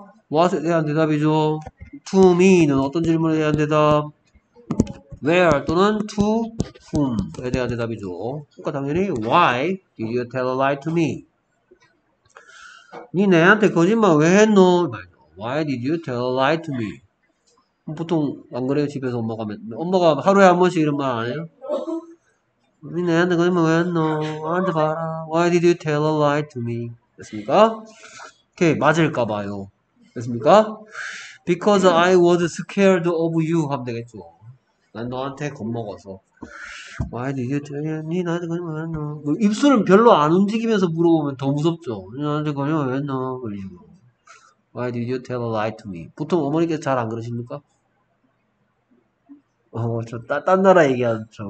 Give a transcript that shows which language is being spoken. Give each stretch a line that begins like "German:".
Korean: what에 대한 대답이죠. to me는 어떤 질문에 대한 대답? where 또는 to whom에 대한 대답이죠. 그러니까 당연히
English: why did you tell a lie to me?
Korean: 니 내한테 거짓말 왜 했노?
English: why did you tell a lie to me?
Korean: 보통 안 그래요? 집에서 엄마가 하루에 한 번씩 이런 말안 해요? 니 애한테 거짓말 왜 했노? 아한테 봐라.
English: Why did you tell a lie to me?
Korean: 됐습니까? 오케이 맞을까 봐요. 됐습니까?
English: Because I was scared of you
Korean: 하면 되겠죠. 난 너한테 겁먹어서.
English: Why do you tell me?
Korean: 니 나한테 거짓말 왜 했노? 뭐 입술은 별로 안 움직이면서 물어보면 더 무섭죠. 니 나한테 거짓말 왜 했노? 그리고
English: Why did you tell a lie to me?
Korean: 보통 어머니께서 잘 안 그러십니까? 저 딴 나라 얘기하죠.